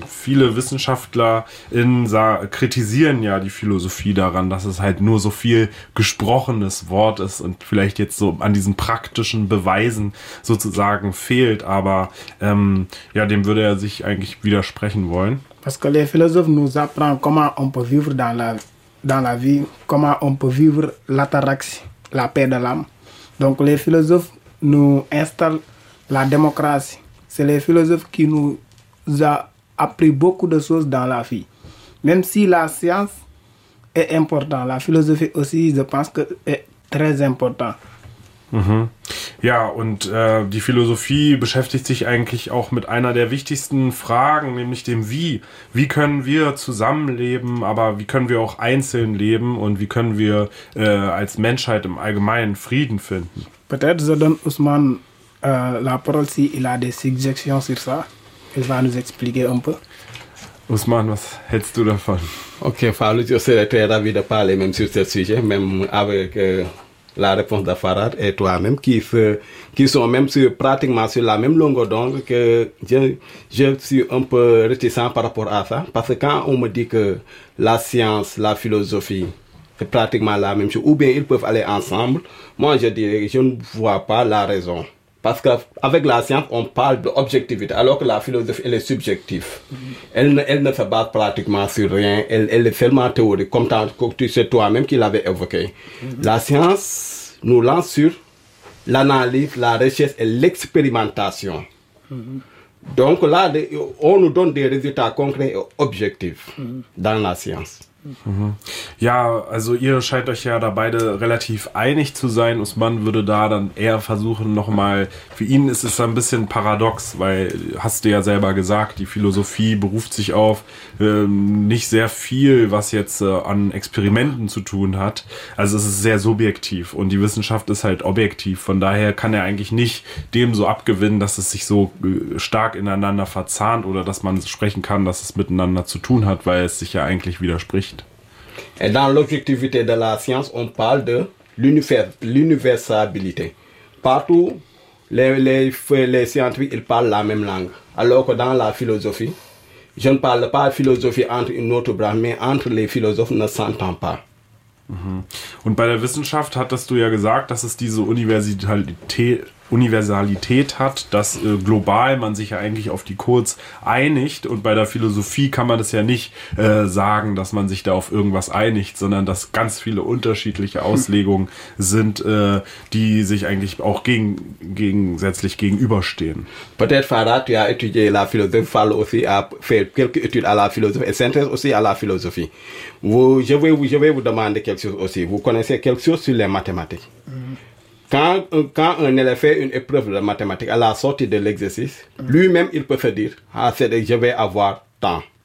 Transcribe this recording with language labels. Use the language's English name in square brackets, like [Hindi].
[German] Viele Wissenschaftler kritisieren ja die Philosophie daran, dass es halt nur so viel gesprochenes Wort ist und vielleicht jetzt so an diesen praktischen Beweisen sozusagen fehlt. Aber dem würde er sich eigentlich widersprechen wollen. [French] Parce que les philosophes nous apprennent comment on peut vivre dans la vie, comment on peut vivre l'ataraxie. La paix de l'âme. Donc les philosophes nous installent la démocratie. C'est les philosophes qui nous ont appris beaucoup de choses dans la vie. Même si la science est importante, la philosophie aussi, je pense que est très importante. Mhm. [German] Ja, und die Philosophie beschäftigt sich eigentlich auch mit einer der wichtigsten Fragen, nämlich dem Wie. Wie können wir zusammenleben, aber wie können wir auch einzeln leben und wie können wir als Menschheit im Allgemeinen Frieden finden? [French] Peut-être je donne Ousmane la parole si il a des suggestions sur ça. Il va nous expliquer un peu. [German] Ousmane, was hältst du davon? [French] Okay, Fallu, je serais très ravi de parler même sur ce sujet, même avec la réponse de Farad et toi-même qui sont même pratiquement sur la même longueur d'onde que je suis un peu réticent par rapport à ça. Parce que quand on me dit que la science, la philosophie, c'est pratiquement la même chose, ou bien ils peuvent aller ensemble, moi je dirais que je ne vois pas la raison. Parce qu'avec la science, on parle d'objectivité, alors que la philosophie, elle est subjective. Elle ne se base pratiquement sur rien. Elle est seulement théorique, comme tu sais toi-même qui l'avais évoqué. La science nous lance sur l'analyse, la recherche et l'expérimentation. Donc là, on nous donne des résultats concrets et objectifs dans la science. Mmh. [German] Ja, also ihr scheint euch ja da beide relativ einig zu sein. Usman würde da dann eher versuchen nochmal, für ihn ist es ein bisschen paradox, weil, hast du ja selber gesagt, die Philosophie beruft sich auf nicht sehr viel, was jetzt an Experimenten zu tun hat. Also es ist sehr subjektiv und die Wissenschaft ist halt objektiv. Von daher kann er eigentlich nicht dem so abgewinnen, dass es sich so stark ineinander verzahnt oder dass man sprechen kann, dass es miteinander zu tun hat, weil es sich ja eigentlich widerspricht. [French] Et dans l'objectivité de la science, on parle de l'universalité. Partout, les scientifiques ils parlent la même langue. Alors que dans la philosophie, je ne parle pas de philosophie entre une autre branche, mais entre les philosophes, ne s'entend pas. [German] Und bei der Wissenschaft hattest du ja gesagt, dass es diese Universalität hat, dass global man sich ja eigentlich auf die Codes einigt und bei der Philosophie kann man das ja nicht sagen, dass man sich da auf irgendwas einigt, sondern dass ganz viele unterschiedliche Auslegungen sind, die sich eigentlich auch gegensätzlich gegenüberstehen. [French] Peut-être Farad, tu as étudié la philosophie, Fall aussi a fait quelques études à la philosophie, et s'intéresse aussi à la philosophie. Je vais vous demander quelque chose aussi. Vous connaissez quelque chose sur les mathématiques? Quand un élève fait une épreuve de mathématiques à la sortie de l'exercice, lui-même il peut se dire ah c'est de, je vais avoir tant.